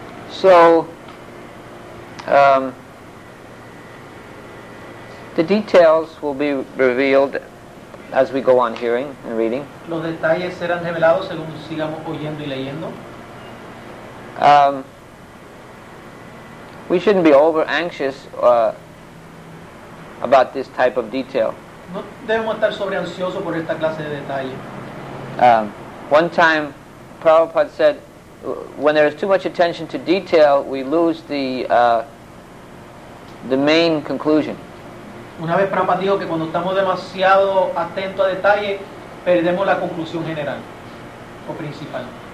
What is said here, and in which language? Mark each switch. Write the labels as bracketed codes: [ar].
[en] So, the details will be revealed as we go on hearing and reading. [es] Los detalles serán revelados según sigamos oyendo y leyendo. [en] We shouldn't be over anxious about this type of detail. [es] No debemos estar sobre ansiosos por esta clase de detalle. [en] One time, Prabhupada said, when there is too much attention to detail, we lose the main conclusion. [es] Una vez Prabhupada dijo que cuando estamos demasiado atentos a detalle, perdemos la conclusión general o principal.